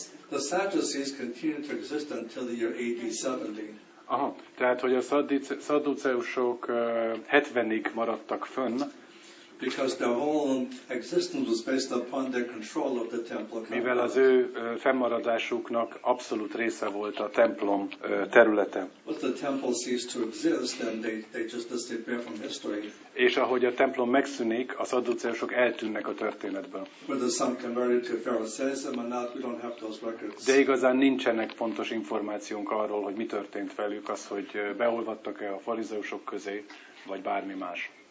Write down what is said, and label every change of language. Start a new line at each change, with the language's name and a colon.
English: the Sadducees continued to exist until the year AD 70.
Hungarian: Aha, tehát hogy a szadduceusok 70-ig maradtak fönn.
English: Because their whole existence was based upon their control of the temple.
Hungarian: Mivel az ő fennmaradásuknak abszolút része volt a templom területe.
English: But the temple ceased to exist, then they just disappear from history.
Hungarian: És ahogy a templom megszűnik, a szadduceusok eltűnnek a történetből.
English: But there's some converted to Pharisaism and not, we don't have those records.
Hungarian: De igazán nincsenek pontos információnk arról, hogy mi történt velük, az, hogy beolvadtak-e a farizeusok közé, vagy bármi más.